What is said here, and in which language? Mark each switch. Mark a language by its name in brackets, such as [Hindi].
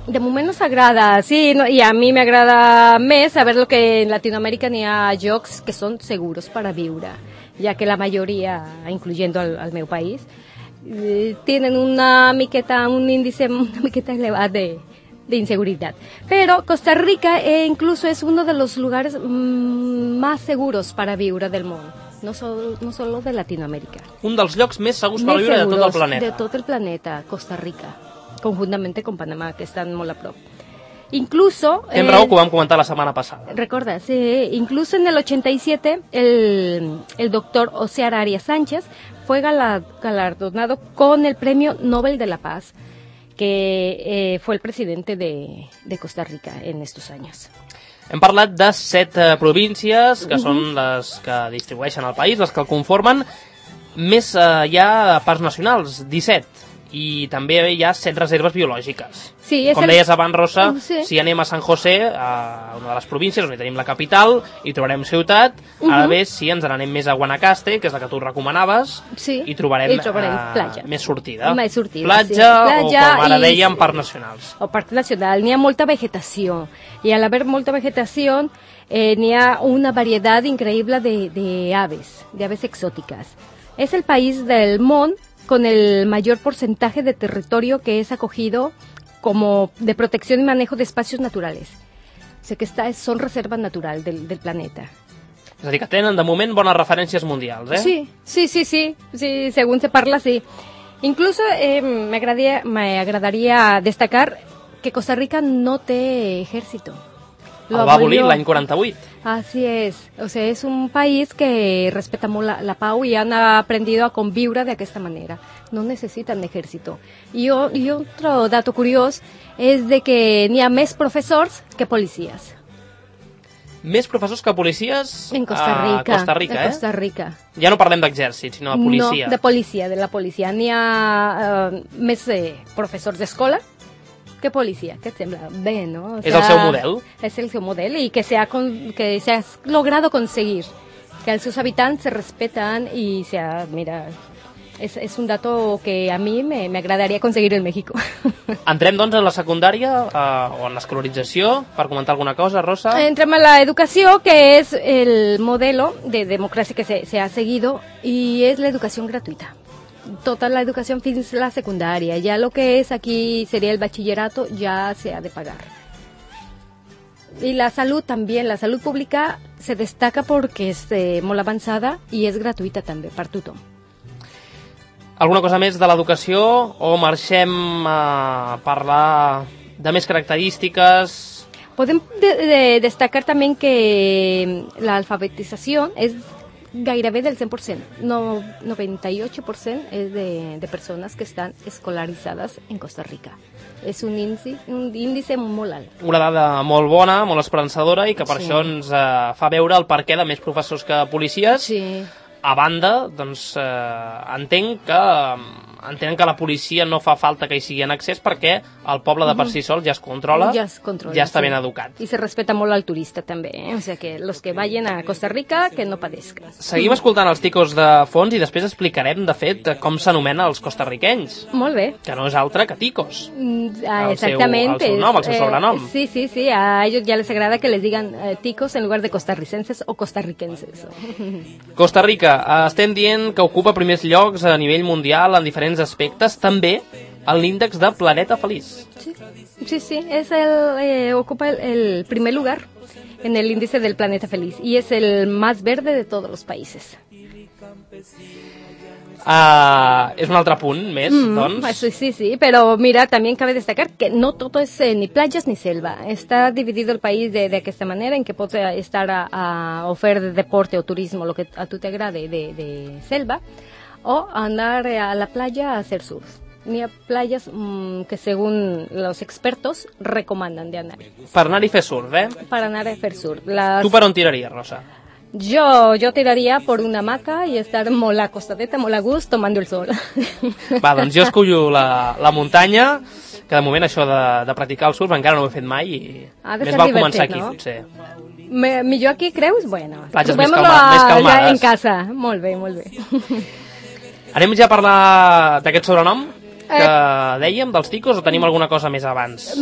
[Catalan] De moment ens agrada, sí, no, i a mi m'agrada més saber que en Latinoamèrica n'hi ha llocs que són segurs per a viure, ja que la majoria, [Spanish] incluyendo el [Catalan] meu país, [Spanish] tienen una [Catalan] miqueta, [Spanish] un índice [Catalan] una miqueta elevat [Spanish] de inseguridad. Pero Costa Rica incluso es uno de los lugares más seguros para [Catalan] viure del món. [Spanish] No solo de Latinoamérica. [Catalan] Un dels llocs més segurs per viure [Spanish] seguros [Catalan] de tot el planeta. De tot el planeta, Costa Rica. Conjuntament amb Panamà, que estan molt a prop. [Spanish] Incluso... [Catalan] Tens raó, que ho vam comentar la setmana passada. Recorda, sí. [Spanish] Incluso en el 87, el doctor Ocear Arias Sánchez fue galardonado con el Premio Nobel de la Paz, que fue el presidente de Costa Rica en estos años. [Catalan] Hem parlat de 7 províncies, que són les que distribueixen el país, les que el conformen. Més hi ha parcs nacionals, 17, i també hi ha 7 reserves biològiques. Sí, és com deies abans, Rosa, sí. Si anem a San José, a una de les províncies on hi tenim la capital, hi trobarem ciutat, ara bé, si ens n'anem més a Guanacaste, que és la que tu recomanaves, sí, hi trobarem platja. Més sortida. Platja, sí. Platja o, com ara deien, parcs nacionals. O parc nacional. N'hi ha molta vegetació, i al haver molta vegetació n'hi ha una varietat increïble de aves exòtiques. [Spanish] Es el país del món con el mayor porcentaje de territorio que es acogido como de protección y manejo de espacios naturales. O sea que son reserva natural del planeta. [Catalan] És a dir, que tenen de moment bones referències mundials, eh? Sí, según se parla, sí. [Spanish] Incluso me agradaría destacar que Costa Rica [Catalan] no té [Spanish] ejército. [Catalan] Lo va abolir l'any 48. [Spanish] Así es. O sea, es un país que respeta [Catalan] molt la pau [Spanish] y han aprendido a [Catalan] conviure d'aquesta manera. [Spanish] No necesitan ejército. Y otro dato curioso es de que [Catalan] n'hi ha més professors que policies. Més professors que policies? [Spanish] En Costa Rica. [Catalan] A Costa Rica, eh? [Spanish] En Costa Rica. [Catalan] Ja no parlem d'exèrcit, sinó de policia. No, de policia, de la policia. N'hi ha més professors d'escola. [Spanish] ¿Qué policía? ¿Qué te sembra? Ve, ¿no? O sea, ¿es [Catalan] el seu model? [Spanish] Es [Catalan] el seu model [Spanish] y que se ha logrado conseguir. Que a sus habitantes se respetan y se mira, es un dato que a mí me agradaría conseguir en México. [Catalan] Entrem, doncs, en la secundària o en l'escolarització per comentar alguna cosa, Rosa. Entrem a la educació, [Spanish] que es el modelo de democracia que se ha seguido y es la educación gratuita. Toda la educación fins la secundaria, ya lo que es aquí sería el bachillerato, ya se ha de pagar. Y la salud también, la salud pública se destaca porque es [Catalan] molt avançada [Spanish] y es gratuita también, [Catalan] per tothom. Alguna cosa més de l'educació o marxem a parlar de més característiques? [Spanish] Podem destacar también que la alfabetización es... [Catalan] gairebé del 100%, no, 98% és de persones que estan escolaritzades en Costa Rica. És un índice molt alt. Una dada molt bona, molt esperançadora, i que per això ens fa veure el perquè de més professors que policies. Sí. A banda, doncs, entenc que la policia no fa falta que hi sigui en accés perquè el poble de per si sol ja es controla, ja està ben educat. I se respecta molt el turista també, eh? [Spanish] O sea que los que vayan a Costa Rica que no padezcan. [Catalan] Seguim escoltant els ticos de fons i després explicarem, de fet, com s'anomena els costarriquenys. Molt bé. Que no és altre que ticos. El seu sobrenom. [Spanish] Sí, a ellos ya les agrada que les digan ticos en lugar de costarricenses o costarriquenses. [Catalan] Costa Rica, estem dient que ocupa primers llocs a nivell mundial en diferents aspectes, també en l'índex de Planeta Feliç. Sí, és ocupa el [Spanish] primer lugar en el índice [Catalan] del Planeta Feliç i és el més verde de tots els països. És un altre punt més, doncs. Sí, però mira, també [Spanish] cabe destacar [Catalan] que no tot és ni platges ni selva. Està dividit el país d'aquesta manera en que pot estar a oferir deporte o turisme, lo que a tu t'agrade de selva, [Spanish] o andar a la playa a hacer surf. Ni a playas que según los expertos recomiendan de andar. Para andar y hacer surf, ¿eh? Para andar y hacer surf. ¿Tú para dónde tirarías, Rosa? Yo tiraría por una hamaca y estar [Catalan] molt acostadeta, molt a gust, [Spanish] tomando el sol. [Catalan] Va, doncs jo escullo la muntanya, que de moment això de practicar el surf encara no ho he fet mai i més val començar aquí, no? Potser. Millor aquí, creus? Bueno, trobem-lo allà en casa. Molt bé, molt bé. Anem ja a parlar d'aquest sobrenom que dèiem, dels ticos, o tenim alguna cosa més abans?